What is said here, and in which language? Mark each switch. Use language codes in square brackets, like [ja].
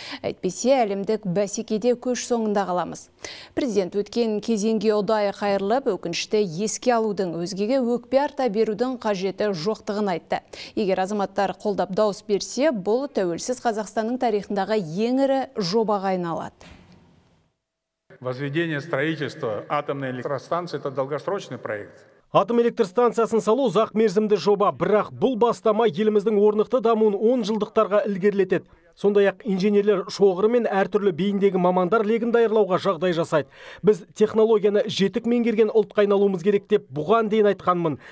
[kk] Әйтпесе әлемдік бәсекеде көш соңында қаламыз. Президент өткен кезеңге ұдайы қайырылып, өкінішті еске алудың өзгеге өкпе арта берудің қажеті жоқтығын айтты. Егер азаматтар қолдап дауыс берсе, бұл тәуелсіз Қазақстанның тарихындағы ең ірі жобаға айналады. [ru] Возведение строительства атомной электростанции – это долгосрочный проект. [kk] Атом электростанциясын салу ұзақ мерзімді жоба, бірақ бұл бастама еліміздің орнықты дамуын 10 жылдықтарға ілгерілетеді. Сондай-ақ инженерлер шоғыры мен әртүрлі бейіндегі мамандар легін даярлауға жағдай жасайды. Біз технологияны жетік меңгерген ұлтқа айналуымыз керек деп бұған дейін айтқанмын.